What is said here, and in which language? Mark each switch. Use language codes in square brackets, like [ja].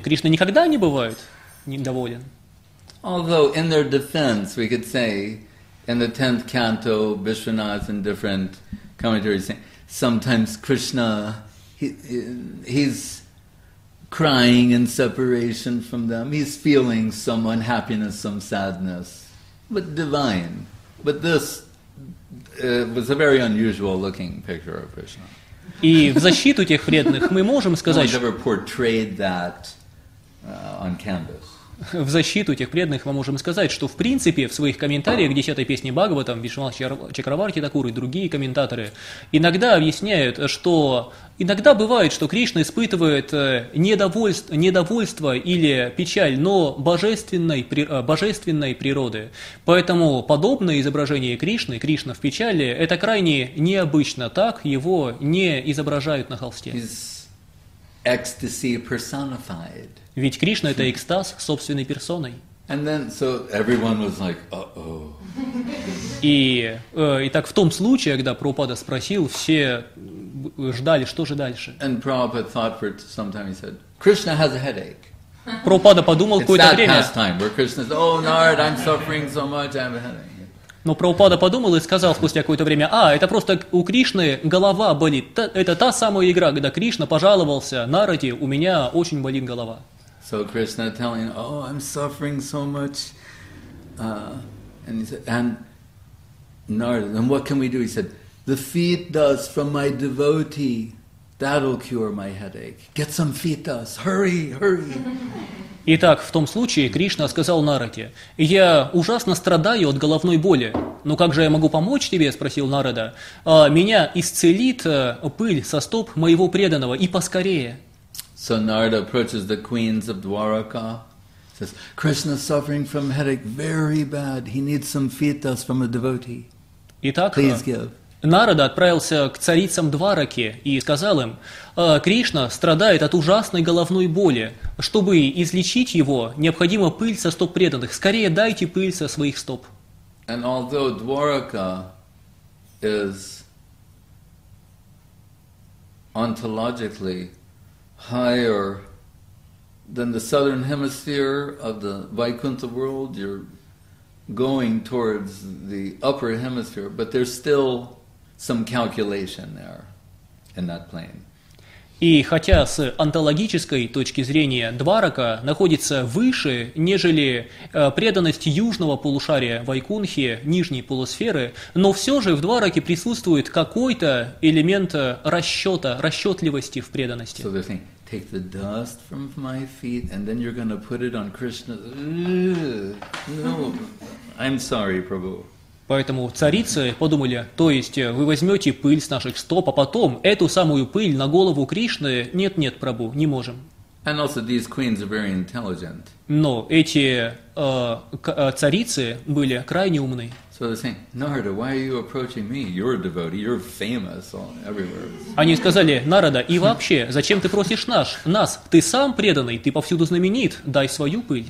[ru] Кришна никогда не бывает недоволен. [en] Although in their defense, we could say, in the 10th canto, Vishwanath and different commentaries saying, sometimes Krishna, he's crying in separation from them. He's feeling some unhappiness, some sadness, but divine. But this was a very unusual looking picture of Krishna. [ru] И в защиту тех вредных мы можем сказать, [en] never portrayed that on canvas. [ru] В защиту тех преданных мы можем сказать, что в принципе в своих комментариях к десятой песне Бхагаватам Вишванат Чакраварти Такур и другие комментаторы иногда объясняют, что иногда бывает, что Кришна испытывает недовольство или печаль, но божественной природы. Поэтому подобное изображение Кришны, Кришна в печали, это крайне необычно, так его не изображают на холсте. [en] Ecstasy personified. [ru] Ведь Кришна это экстаз собственной персоной. [en] And then, so everyone was like, uh-oh. [ru] И так в том случае, когда Прабхупада спросил, все ждали, что же дальше. [en] And Prabhupada thought for some time, he said, Krishna has a headache. [ru] Прабхупада подумал какое-то время. [en] It's that pastime where Krishna says, oh, Narada, I'm suffering so much, I have a headache. [ru] Но Прабхупада подумал и сказал спустя какое-то время, а, это просто у Кришны голова болит. Это та самая игра, когда Кришна пожаловался Нараде, у меня очень болит голова. [en] So Krishna telling, oh, I'm suffering so much. And he said, and Narada, and what can we do? He said, the feet dust from my devotee, that'll cure my headache. Get some feet dust, hurry, hurry. [ru] Итак, в том случае Кришна сказал Нараде, «Я ужасно страдаю от головной боли, но как же я могу помочь тебе?» – спросил Нарада. «Меня исцелит пыль со стоп моего преданного, и поскорее». [en] So Narada approaches the queens of Dwaraka, says, Krishna suffering from headache very bad, he needs some feet dust from a devotee. [ru] Итак, [en] please give. [ru] Нарада отправился к царицам Двараки и сказал им, «Кришна страдает от ужасной головной боли. Чтобы излечить его, необходима пыль со стоп преданных. Скорее дайте пыль со своих стоп». [en] And although Dwaraka is ontologically higher than the southern hemisphere of the Vaikuntha world, you're going towards the upper hemisphere, but there's still some calculation there in that plane. [ru] И хотя с онтологической точки зрения Дварака находится выше, нежели преданность южного полушария Вайкунхи, нижней полусферы, но все же в Двараке присутствует какой-то элемент расчета, расчетливости в преданности. [en] So they're saying, take the dust from my feet and then you're going to put it on Krishna. No, I'm sorry, Prabhu. [ru] Поэтому царицы подумали, то есть вы возьмете пыль с наших стоп, а потом эту самую пыль на голову Кришны, нет-нет, Прабху, не можем. [en] And also these queens are very intelligent. [ru] Но эти царицы были крайне умны. [en] So they're saying, Narada, why are you approaching me? You're a devotee, you're famous all, everywhere. [ru] Они сказали, Нарада, и вообще, зачем ты просишь нас? Ты сам преданный, ты повсюду знаменит, дай свою пыль.